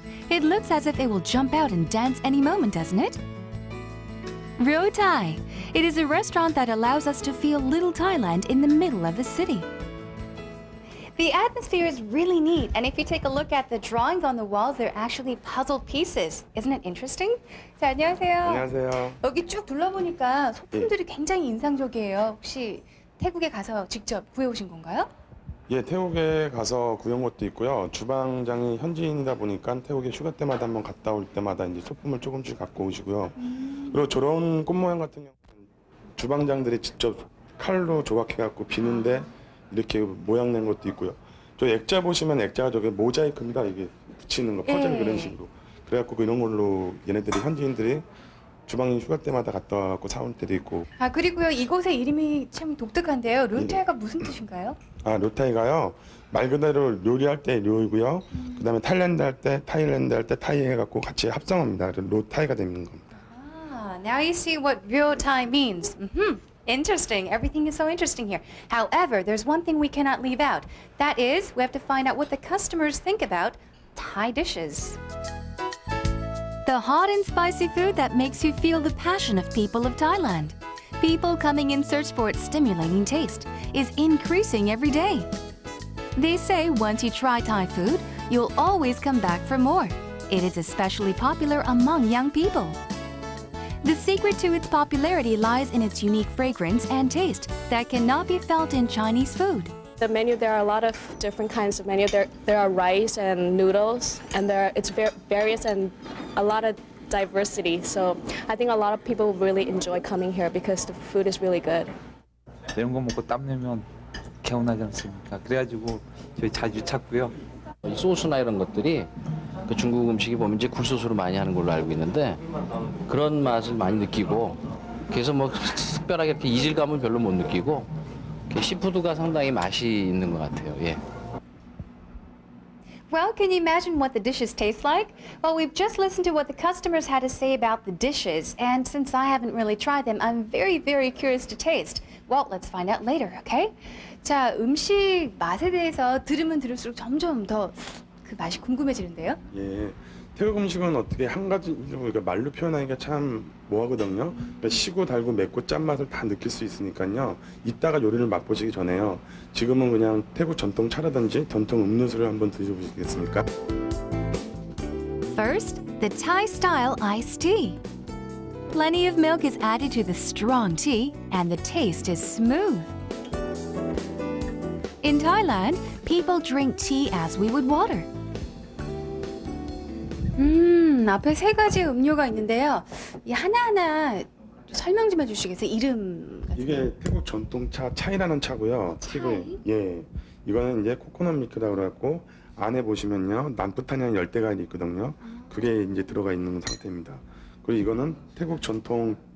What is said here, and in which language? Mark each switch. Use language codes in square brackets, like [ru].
[en] It looks as if it will jump out and dance any moment, doesn't it? Roy Thai. It is a restaurant that allows us to feel little Thailand in the middle of the city. The atmosphere is really neat, and if you take a look at the drawings on the walls, they're actually puzzle pieces. Isn't it interesting? [ko] 자, 안녕하세요. 안녕하세요. 여기 쭉 둘러보니까 소품들이 굉장히 인상적이에요. 혹시 태국에 가서 직접 구해오신 건가요? 예, 태국에 가서 구해온 것도 있고요. 주방장이 현지인이다 보니까 태국에 휴가 때마다 한번 갔다 올 때마다 이제 소품을 조금씩 갖고 오시고요. 그리고 저런 꽃 모양 같은 경우는 주방장들이 직접 칼로 조각해갖고 비는데 이렇게 모양 낸 것도 있고요. 저 액자 보시면 액자가 저게 모자이크입니다. 이게 붙이는 거, 퍼즐 그런 식으로. 그래갖고 이런 걸로 얘네들이 현지인들이 주방에 휴가 때마다 갔다 와갖고 사온 때도 있고. 아, 그리고요. 이곳의 이름이 참 독특한데요. 루타이가 예. 무슨 뜻인가요? 아, 루타이가요. 말 그대로 요리할 때 요이고요. 그 다음에 탈랜드 할 때, 타일랜드 할 때 타이 해갖고 같이 합성합니다. 루타이가 되는 겁니다. [en] 아, now you see what real Thai means. Mm-hmm. Interesting. Everything is so interesting here. However, there's one thing we cannot leave out. That is, we have to find out what the customers think about Thai dishes. The hot and spicy food that makes you feel the passion of people of Thailand. People coming in search for its stimulating taste is increasing every day. They say once you try Thai food, you'll always come back for more. It is especially popular among young people. The secret to its popularity lies in its unique fragrance and taste that cannot be felt in Chinese food. The menu, there are a lot of different kinds of menu. There are rice and noodles, and there are, it's various and a lot of diversity. So I think a lot of people really enjoy coming here because the food is really good. [ko] 이런 거 먹고 땀 내면 개운하지 않습니까? 그래가지고 저희 자주 찾고요. 소스나 이런 것들이 그 중국 음식이 보면 이제 굴소스로 많이 하는 걸로 알고 있는데 그런 맛을 많이 느끼고 그래서 뭐 특별하게 이렇게 이질감은 별로 못 느끼고 시푸드가 상당히 맛이 있는 것 같아요. 예. [en] Well, can you imagine what the dishes taste like? Well, we've just listened to what the customers had to say about the dishes, and since I haven't really tried them, I'm very, very curious to taste. Well, let's find out later, okay? [ko] 자, 음식 맛에 대해서 들으면 들을수록 점점 더 그 맛이 궁금해지는데요? 예, 태국 음식은 어떻게 한 가지로 말로 표현하기가 참 뭐하거든요. 그러니까 시고 달고 맵고 짠맛을 다 느낄 수 있으니까요. 이따가 요리를 맛보시기 전에요. 지금은 그냥 태국 전통 차라든지 전통 음료수를 한번 드셔보시겠습니까? [en] First, the Thai style iced tea. Plenty of milk is added to the strong tea and the taste is smooth. In Thailand, people drink tea as we would water. [ko] 앞에 세 가지 음료가 있는데요. 이 하나하나 설명 좀 해주시겠어요? 이름 같은 이게 태국 전통차 차이라는 차고요. 차이? 예. 이거는 이제 코코넛 밀크라고 그래갖고 안에 보시면요. 남부탄향 열대가 있거든요. 그게 이제 들어가 있는 상태입니다. 그리고 이거는 태국 전통